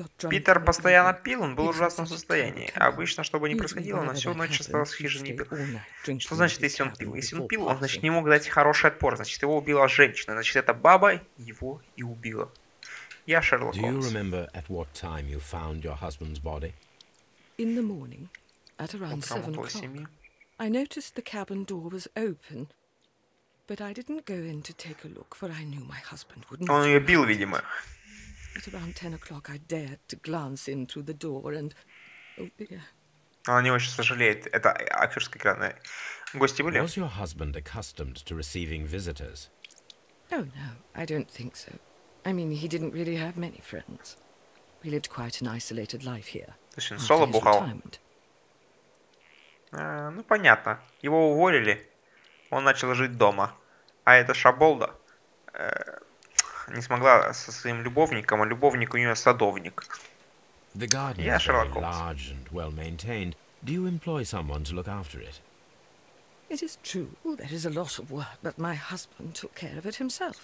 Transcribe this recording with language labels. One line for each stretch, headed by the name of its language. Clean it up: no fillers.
Russian: Питер постоянно пил, он был в ужасном состоянии. Обычно, что бы ни происходило, он всю ночь оставался в хижине и пил. Что значит, если он пил? Если он пил, он, значит, не мог дать хороший отпор. Значит, его убила женщина. Значит, эта баба его и убила. Я Шерлок Холмс.
English: Do you remember at what time you found your husband's body? In the morning, at around 7 o'clock. I noticed the cabin door was open. But I didn't go in to take a look, for I knew my husband wouldn't.
Russian: Он ее бил, видимо.
English: At around 10 o'clock, I dared to glance in through the door and, oh dear.
Russian: Она не очень сожалеет. Это актерская игра. Гости были?
English: Was your husband accustomed to receiving visitors? Oh no, I don't think so. I mean, he didn't really have many friends. We lived quite an isolated life here.
Russian: Слушай, соло бухал. Ну понятно. Его уволили. Он начал жить дома. А эта Шаболда не смогла со своим любовником, а любовник у нее садовник. Я Шерлок Холмс.
English: Do you employ someone to look after it? It is true. There is a lot of work, but my husband took care of it himself.